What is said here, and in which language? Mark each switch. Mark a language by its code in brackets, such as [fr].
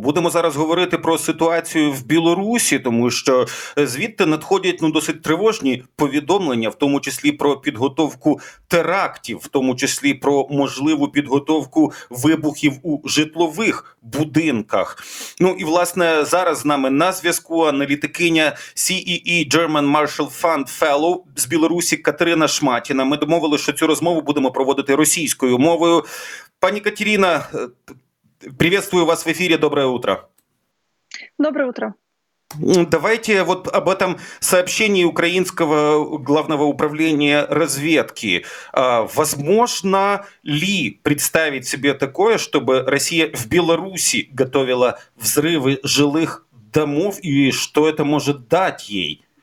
[uk] Будемо зараз говорити про ситуацію в Білорусі, тому що звідти надходять досить тривожні повідомлення, в тому числі про підготовку терактів, в тому числі про можливу підготовку вибухів у житлових будинках. Ну і власне зараз з нами на зв'язку аналітикиня CEE German Marshall Fund Fellow з Білорусі Катерина Шмай. Ми домовилися, що цю розмову будемо проводити російською мовою. Пані Катерина, привітаю вас в ефірі. [ru] Доброе утро. Доброе утро. Давайте вот об этом сообщении украинского главного управления разведки. Возможно ли представить себе такое, чтобы Россия в Беларуси готовила взрывы жилых домов, и что это может дать ей?